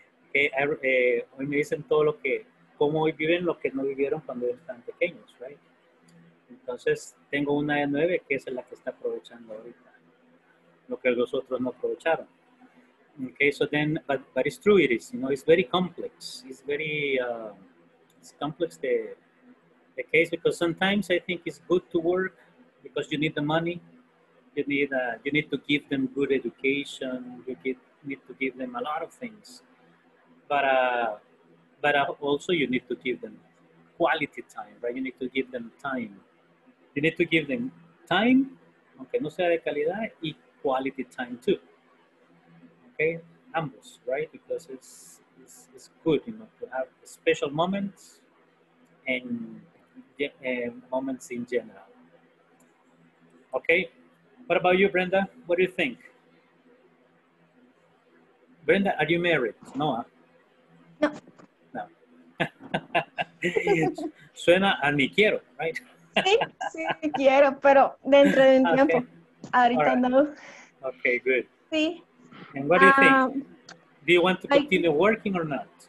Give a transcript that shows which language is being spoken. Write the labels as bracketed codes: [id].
[es] Okay, hoy me dicen todo lo que, cómo hoy viven lo que no vivieron cuando eran tan pequeños, right? Entonces, tengo una de 9 que es la que está aprovechando ahorita, lo que los otros no aprovecharon. [en] Okay, so then, but it's true, it is, you know, it's very complex. It's very, it's complex the case, because sometimes I think it's good to work because you need the money. You need to give them good education. You need to give them a lot of things. But also you need to give them quality time, right? You need to give them time. You need to give them time, [es] aunque no sea de calidad, [en] y quality time too. Okay, ambos, right? Because it's good, you know, to have special moments and moments in general. Okay, what about you, Brenda? What do you think? Brenda, are you married? Noah? No. No. [es] Suena a ni quiero, right? Sí, sí, quiero, pero dentro de un okay. tiempo. Ahorita right. no. [en] Okay, good. [es] Sí. [en] And what do you think? Do you want to continue working or not?